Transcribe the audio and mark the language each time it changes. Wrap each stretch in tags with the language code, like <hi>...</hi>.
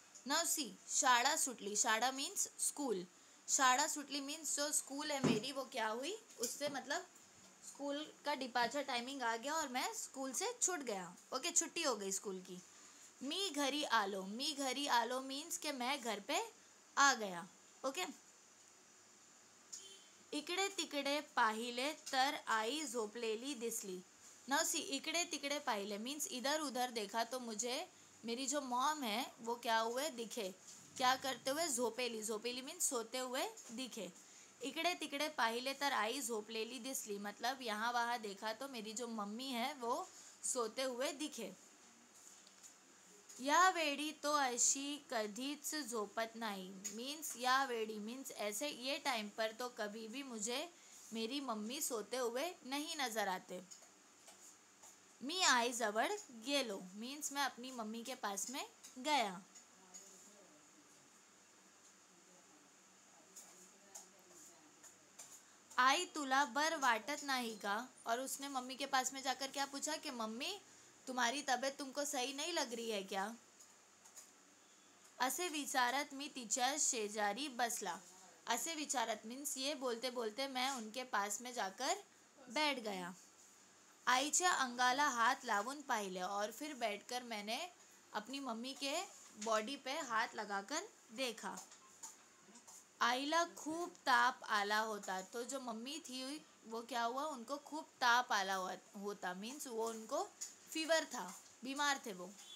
<hi>Now see,</hi> <mr>शाळा सुटली, शाळा</mr> <hi>मीन्स स्कूल,</hi> <mr>शाळा सुटली</mr> <hi>मीन्स जो स्कूल है मेरी वो क्या हुई, उससे मतलब स्कूल का डिपार्चर टाइमिंग आ गया और मैं स्कूल से छूट गया. ओके, छुट्टी हो गई स्कूल की.</hi> <mr>मी घरी आलो, मी घरी आलो</mr> <hi>मीन्स के मैं घर पे आ गया.</hi> <mr>ओके, इकड़े तिकड़े पाहिले तर आई झोपलेली दिसली.</mr> <hi>नाउ सी,</hi> <mr>इकड़े तिकड़े पाहिले</mr> <hi>मीन्स इधर उधर देखा तो मुझे मेरी जो मॉम है वो क्या हुए दिखे, क्या करते हुए,</hi> <mr>झोपेली, झोपेली</mr> <hi>मीन्स सोते हुए दिखे.</hi> <mr>इकड़े तिकड़े पाहिले तर आई झोपलेली दिसली,</mr> <hi>मतलब यहाँ वहाँ देखा तो मेरी जो मम्मी है वो सोते हुए दिखे.</hi> <mr>या वेड़ी तो ऐसी कधीच झोपत नहीं,</mr> <hi>मीन्स</hi> <mr>या वेड़ी</mr> <hi>मीन्स ऐसे ये टाइम पर तो कभी भी मुझे मेरी मम्मी सोते हुए नहीं नज़र आते.</hi> <mr>मी आई जवर गेलो</mr> <hi>मीन्स मैं अपनी मम्मी के पास में गया.</hi> <mr>आई तुला बर वाटत नहीं का,</mr> <hi>और उसने मम्मी के पास में जाकर क्या पूछा कि मम्मी तुम्हारी तबीयत तुमको सही नहीं लग रही है क्या.</hi> <mr>असे विचारत मी तिचर शेजारी बसला. असे विचारत</mr> <hi>मीन्स ये बोलते बोलते मैं उनके पास में जाकर बैठ गया.</hi> <mr>आईच्या अंगाला हाथ लावून पाहिले,</mr> <hi>और फिर बैठकर मैंने अपनी मम्मी के बॉडी पे हाथ लगाकर देखा.</hi> <mr>आईला खूब ताप आला होता,</mr> <hi>तो जो मम्मी थी वो क्या हुआ, उनको</hi> <mr>खूब ताप आला होता</mr> <hi>मीन्स वो उनको फीवर था, बीमार थे वो.</hi>